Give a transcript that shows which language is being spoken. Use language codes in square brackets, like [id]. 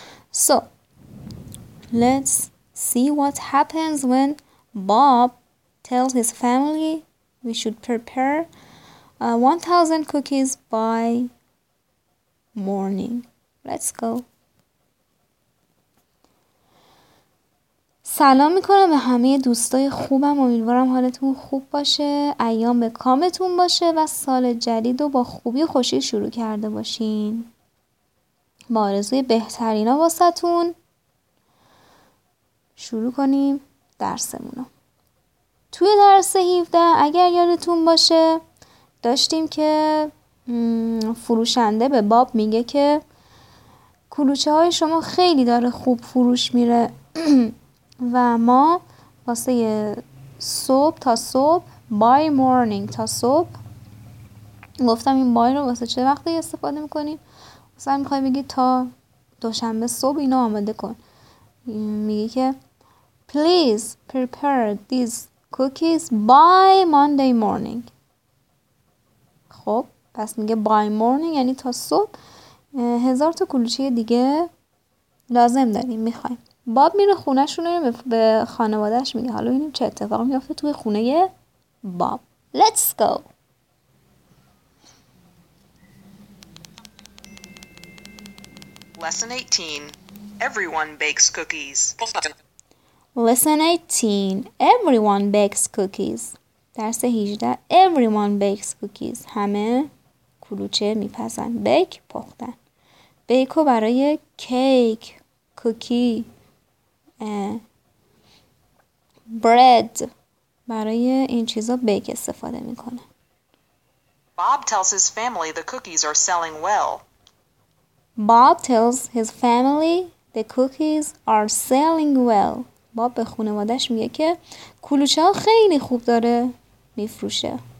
[en] So let's see what happens when Bob tells his family we should prepare 1,000 cookies by morning. Let's go. [fa] سلام میکنم به همه دوستای خوبم، امیدوارم حالتون خوب باشه، ایام به کامتون باشه و سال جدید رو با خوبی و خوشی شروع کرده باشین. با آرزوی بهترین ها واسه تون شروع کنیم درسمونو. توی درس 17 اگر یادتون باشه داشتیم که فروشنده به باب میگه که کلوچه های شما خیلی داره خوب فروش میره و ما واسه صبح تا صبح [en] by morning [fa] تا صبح گفتم این by رو واسه چه وقتی استفاده میکنیم؟ واسه هم میخوایی بگی تا دوشنبه صبح اینو آماده کن. میگه که [en] please prepare these cookies by Monday morning. [fa] خب پس میگه [en] by morning [fa] یعنی تا صبح 1,000 تا کلوچه دیگه لازم داریم میخوایم. باب میره خونه شونه به خانوادهش میگه. حالا ببینیم چه اتفاق میافته توی خونه باب. [en] Let's go. Lesson 18. Everyone bakes cookies. Lesson 18. Everyone bakes cookies. [fa] درس 18. [en] Everyone bakes cookies. [fa] همه کلوچه میپزن. [en] Bake [fa] پختن. Bake برای کیک، کوکی، bread برای این چیزا بیک استفاده میکنه. [en] Bob tells his family the cookies are selling well. Bob tells his family the cookies are selling well. [fa] باب به خانوادش میگه که کلوچه ها خیلی خوب داره میفروشه.